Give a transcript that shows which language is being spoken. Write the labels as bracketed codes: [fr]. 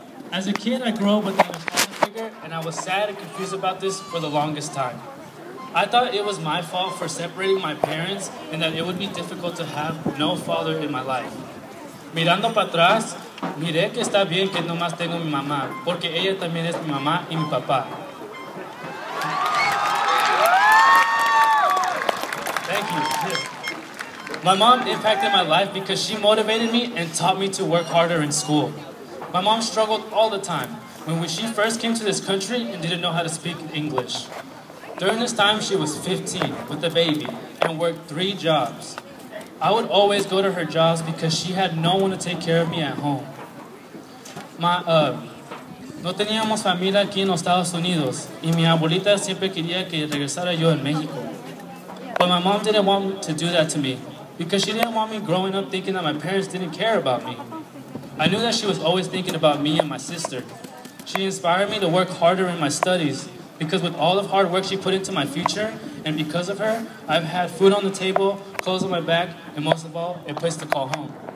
[en] As a kid, I grew up with an father figure, and I was sad and confused about this for the longest time. I thought it was my fault for separating my parents and that it would be difficult to have no father in my life. [es] Mirando para atrás, miré que está bien que nomás tengo mi mamá, porque ella también es mi mamá y mi papá. [en] Thank you. My mom impacted my life because she motivated me and taught me to work harder in school. My mom struggled all the time when she first came to this country and didn't know how to speak English. During this time, she was 15 with a baby and worked 3 jobs. I would always go to her jobs because she had no one to take care of me at home. [es] No teníamos familia aquí en los Estados Unidos y mi abuelita siempre quería que regresara yo en México. [en] But my mom didn't want to do that to me because she didn't want me growing up thinking that my parents didn't care about me. I knew that she was always thinking about me and my sister. She inspired me to work harder in my studies because with all the hard work she put into my future, and because of her, I've had food on the table, clothes on my back, and most of all, a place to call home.